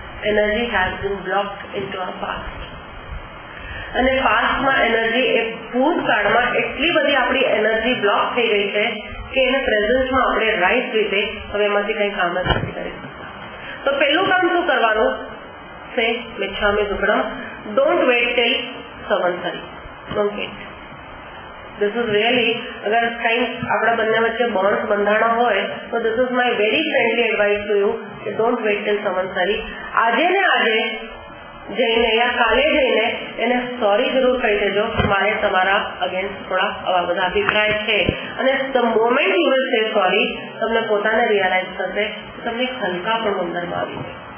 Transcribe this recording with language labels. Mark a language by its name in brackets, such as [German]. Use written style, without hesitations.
[English] energy has been blocked into our past, [Gujarati] અને પાસ્ટમાં energy એ ભૂતકાળમાં એટલી બધી આપણી એનર્જી બ્લોક થઈ ગઈ છે કે એને પ્રેઝન્સમાં આપણે રાઈટ રીતે હવે એમાંથી કઈ કામ જ નથી કરી શકતા. તો પેલું કામ શું કરવાનું છે, મિચ્છામી દુકડમ, [English] don't wait till [Gujarati] Samvatsari, [English] Don't wait. This is really, [Gujarati] અગર કઈ આપણા બંને વચ્ચે બોન્ડ બંધાણા હોય તો [English] this is my very friendly advice to you, કે don't wait till Samvatsari. [Gujarati] આજે ને આજે જઈને યા કાલે જઈને એને સોરી જરૂર કહી દેજો, મારે તમારા અગેન્સ્ટ થોડા આવા બધા અભિપ્રાય છે. અને [English] the moment you will say sorry, [Gujarati] તમને પોતાને રિયલાઇઝ થશે કે તમને હલકા પણ અંદરમાં આવી જાય.